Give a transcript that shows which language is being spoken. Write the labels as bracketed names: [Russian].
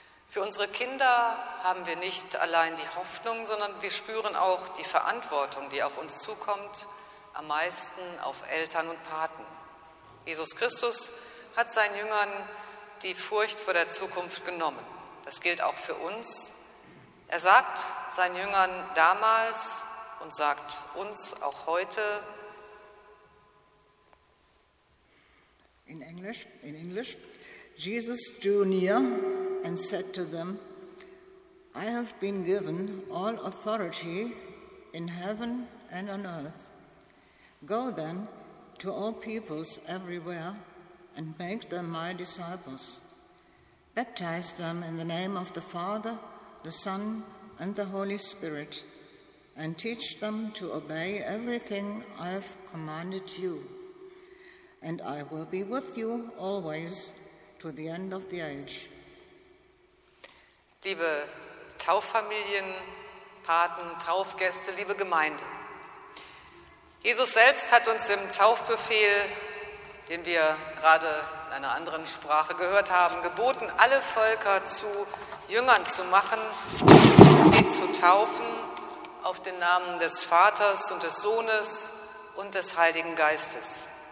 [German] Für unsere Kinder haben wir nicht allein die Hoffnung, sondern wir spüren auch die Verantwortung, die auf uns zukommt, am meisten auf Eltern und Paten. Jesus Christus hat seinen Jüngern die Furcht vor der Zukunft genommen. Das gilt auch für uns. Er sagt seinen Jüngern damals und sagt uns auch heute. [English] In English, Jesus drew near and said to them, I have been given all authority in heaven and on earth. Go then to all peoples everywhere and make them my disciples. Baptize them in the name of the Father, the Son, and the Holy Spirit, and teach them to obey everything I have commanded you. And I will be with you always to the end of the age. [German] Liebe Tauffamilien, Paten, Taufgäste, liebe Gemeinde, Jesus selbst hat uns im Taufbefehl, den wir gerade in einer anderen Sprache gehört haben, geboten, alle Völker zu Jüngern zu machen, sie zu taufen auf den Namen des Vaters und des Sohnes und des Heiligen Geistes.